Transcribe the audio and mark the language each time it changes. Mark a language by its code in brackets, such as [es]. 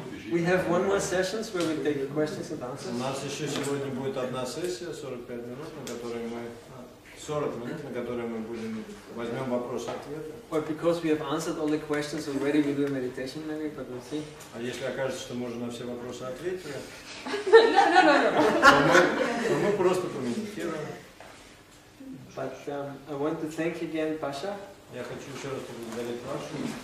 [en] We have one more session where we take questions and answers. [ru] У нас еще сегодня будет одна сессия, 45 минут, на которой мы 40 минут, на которой мы будем возьмем вопросы-ответы. [en] Or because we have answered all the questions already, we do a meditation maybe, but we'll see. [ru] А если окажется, что можно на все вопросы ответить, то мы просто помедитируем. [en] But I want to thank again, Паша. [ru] Я хочу еще раз поблагодарить Пашу.